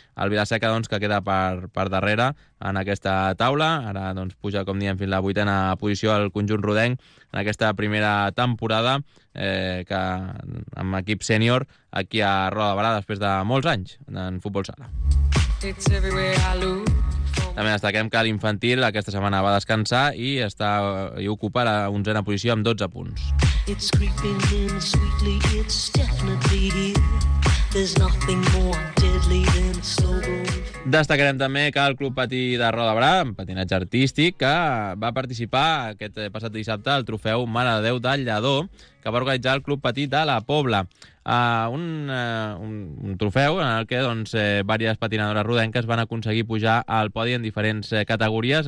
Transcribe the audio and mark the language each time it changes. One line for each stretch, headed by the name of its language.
Catalan: El Vilaseca doncs, que queda per darrere en aquesta taula, ara doncs, puja, com diem, fins a la 8a posició al conjunt rodenc en aquesta primera temporada que amb equip sènior aquí a Roda Barà després de molts anys en futbol sala. També destaquem que l'infantil aquesta setmana va descansar i ocupa la 11a posició amb 12 punts.
English: It's creeping in sweetly, it's definitely here. There's nothing more deadly than a slow-going.
Catalan: Destacarem també que el Club Patí de Roda Barà, en patinatge artístic, que va participar aquest passat dissabte al trofeu Mare de Déu del Lladó, que va organitzar el Club Patí de la Pobla. Un trofeu en el que doncs, diverses patinadores rodenques van aconseguir pujar al podi en diferents categories.